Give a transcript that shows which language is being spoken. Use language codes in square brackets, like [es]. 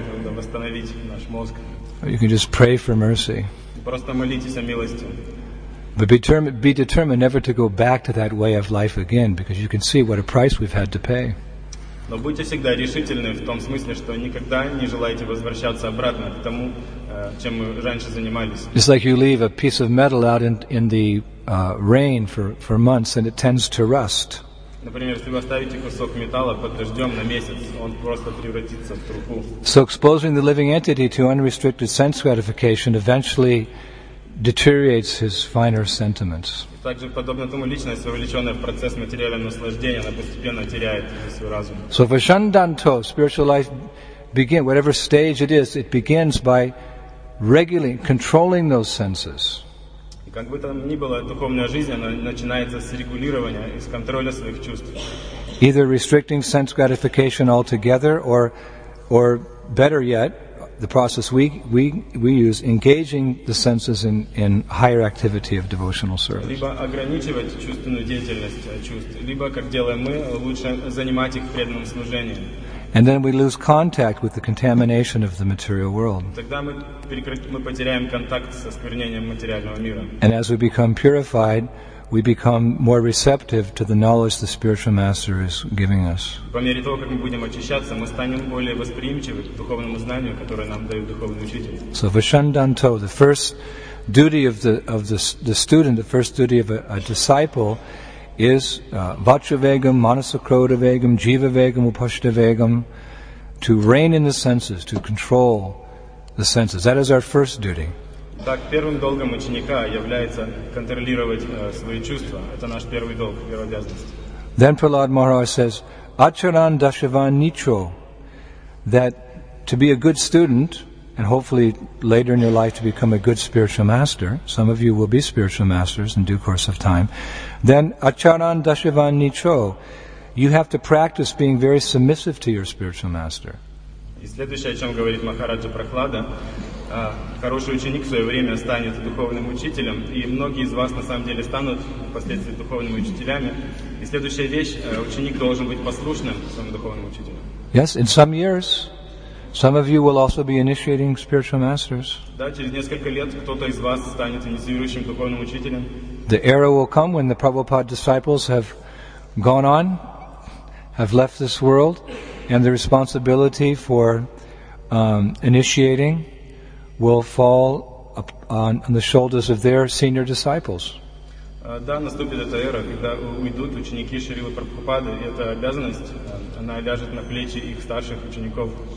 [en] You can just pray for mercy. But be determined never to go back to that way of life again, because you can see what a price we've had to pay. [ru] Но будьте всегда решительны в том смысле, что никогда не желаете возвращаться обратно к тому, чем мы раньше занимались. [en] It's like you leave a piece of metal out in the rain for months and it tends to rust. [ru] Например, если вы оставите кусок металла под дождем на месяц, он просто превратится в труху. [en] So exposing the living entity to unrestricted sense gratification eventually deteriorates his finer sentiments. [ru] Также подобно тому, личность, вовлеченная в процесс материального наслаждения, она постепенно теряет свой разум. [en] So vashandanto, spiritual life begins, whatever stage it is, it begins by regulating, controlling those senses. [ru] Как бы там ни было, духовная жизнь, она начинается с регулирования и с контроля своих чувств. [en] Either restricting sense gratification altogether, or better yet, the process we use, engaging the senses in higher activity of devotional service. [ru] Либо ограничивать чувственную деятельность чувств, либо, как делаем мы, лучше занимать их в преданном служении. [en] And then we lose contact with the contamination of the material world. [ru] Тогда мы потеряем контакт со осквернением материального мира. [en] And as we become purified, we become more receptive to the knowledge the spiritual master is giving us. [ru] По мере того, как мы будем очищаться, мы станем более восприимчивы к духовному знанию, которое нам дает духовный учитель. [en] So Vishandanto, the first duty of the student, the first duty of a disciple is [sa] vachavegam, manasakrodavegam, jivavegam, upashtavegam, [en] to reign in the senses, to control the senses. That is our first duty. [ru] Так, первым долгом ученика является контролировать свои чувства. Это наш первый долг, первая обязанность. [en] Then Prahlad Maharaj says, [sa] acharan dashavan nicho, [en] that to be a good student, and hopefully later in your life to become a good spiritual master, some of you will be spiritual masters in due course of time, then acharan dashavan nicho, you have to practice being very submissive to your spiritual master. [ru] И следующее, о чем говорит Махараджа Прахлада, хороший ученик в свое время станет духовным учителем, и многие из вас на самом деле станут впоследствии духовными учителями. И следующая вещь, ученик должен быть послушным своему духовному учителю. [en] Yes, in some years, some of you will also be initiating spiritual masters. [ru] Да, через несколько лет кто-то из вас станет инициирующим духовным учителем. [en] The era will come when the Prabhupada disciples have gone on, have left this world, and the responsibility for initiating will fall on the shoulders of their senior disciples. [ru] Да, наступит эта эра, когда уйдут ученики Шрилы Прабхупады, и эта обязанность, она ляжет на плечи их старших учеников.